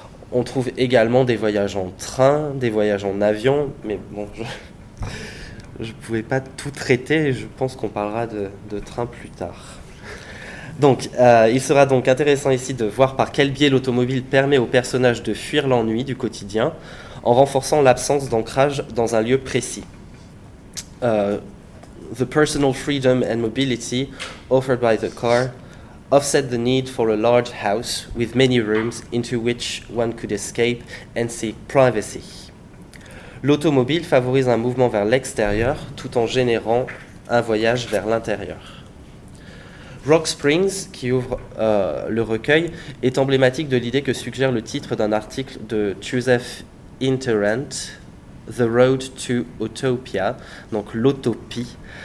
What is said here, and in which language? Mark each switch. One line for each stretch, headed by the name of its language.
French: On trouve également des voyages en train, des voyages en avion, mais bon, je ne pouvais pas tout traiter et je pense qu'on parlera de train plus tard. Donc, il sera donc intéressant ici de voir par quel biais l'automobile permet aux personnages de fuir l'ennui du quotidien en renforçant l'absence d'ancrage dans un lieu précis.
English: The personal freedom and mobility offered by the car offset the need for a large house with many rooms into which one could escape and seek privacy.
French: L'automobile favorise un mouvement vers l'extérieur tout en générant un voyage vers l'intérieur. Rock Springs, qui ouvre le recueil, est emblématique de l'idée que suggère le titre d'un article de Joseph Interrent, The Road to Utopia, donc l'utopie.